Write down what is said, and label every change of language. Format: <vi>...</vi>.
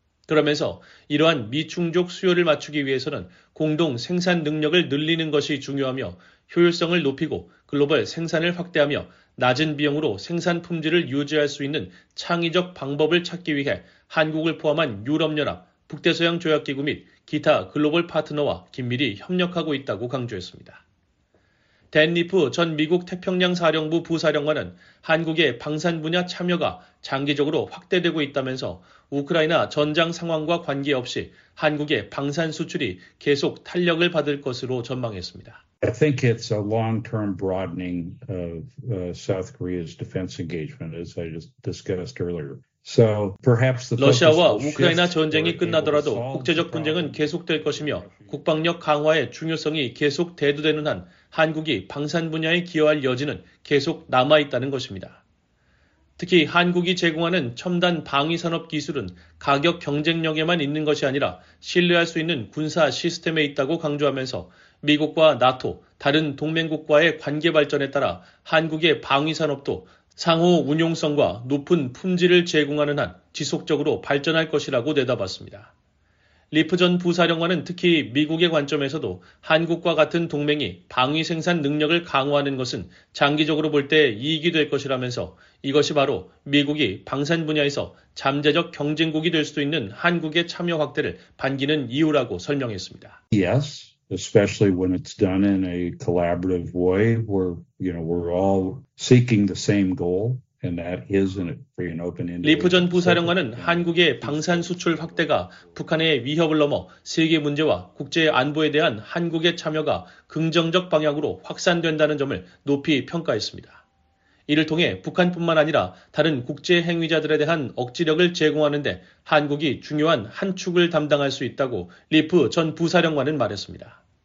<ko>그러면서 이러한 미충족 수요를 맞추기 위해서는 공동 생산 능력을 늘리는 것이 중요하며 효율성을 높이고 글로벌 생산을 확대하며 낮은 비용으로 생산 품질을 유지할 수 있는 창의적 방법을 찾기 위해 한국을 포함한 유럽연합, 북대서양 조약기구 및 기타 글로벌 파트너와 긴밀히 협력하고 있다고 강조했습니다. 댄 리프 전 미국 태평양 사령부 부사령관은 한국의 방산 분야 참여가 장기적으로 확대되고 있다면서 우크라이나 전장 상황과 관계없이 한국의 방산 수출이 계속 탄력을 받을 것으로 전망했습니다.</ko> <en>I think it's a long-term broadening of South Korea's defense engagement as I just discussed earlier. So perhaps the</en> <ko>러시아와 우크라이나 전쟁이 끝나더라도 국제적 분쟁은 계속될 것이며 국방력 강화의 중요성이 계속 대두되는 한 한국이 방산 분야에 기여할 여지는 계속 남아있다는 것입니다. 특히 한국이 제공하는 첨단 방위산업 기술은 가격 경쟁력에만 있는 것이 아니라 신뢰할 수 있는 군사 시스템에 있다고 강조하면서 미국과 나토, 다른 동맹국과의 관계 발전에 따라 한국의 방위산업도 상호 운용성과 높은 품질을 제공하는 한 지속적으로 발전할 것이라고 내다봤습니다. 리프 전 부사령관은 특히 미국의 관점에서도 한국과 같은 동맹이 방위 생산 능력을 강화하는 것은 장기적으로 볼 때 이익이 될 것이라면서 이것이 바로 미국이 방산 분야에서 잠재적 경쟁국이 될 수도 있는 한국의 참여 확대를 반기는 이유라고 설명했습니다.</ko> <en>Yes, especially when it's done in a collaborative way where, you know, we're all seeking the same goal.</en> <ko>리프 전 부사령관은 한국의 방산 수출 확대가 북한의 위협을 넘어 세계 문제와 국제 안보에 대한 한국의 참여가 긍정적 방향으로 확산된다는 점을 높이 평가했습니다. 이를 통해 북한뿐만 아니라 다른 국제 행위자들에 대한 억지력을 제공하는 데 한국이 중요한 한 축을 담당할 수 있다고 리프 전 부사령관은 말했습니다.</ko>